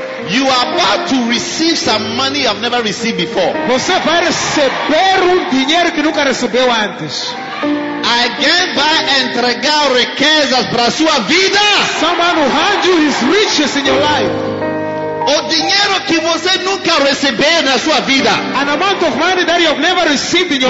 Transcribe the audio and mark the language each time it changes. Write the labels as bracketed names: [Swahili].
[English] You are about to receive some money you have never received before. [Portuguese] Você vai receber dinheiro que nunca recebeu antes. Alguém vai entregar riquezas para sua vida. [English] Someone who hand you his riches in your life. [Portuguese] O dinheiro que você nunca recebeu na sua vida. [English] An amount of money that you have never received in your